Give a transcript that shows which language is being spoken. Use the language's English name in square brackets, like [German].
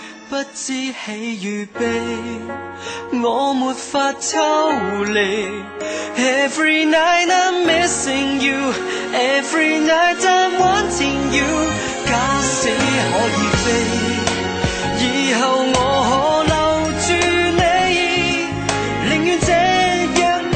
[Chinese] 不知喜与悲，我没法抽离。 [English] Every night I'm missing you, every night I'm wanting you。 [Chinese] 假使可以飞，以后我可留住你，宁愿这样背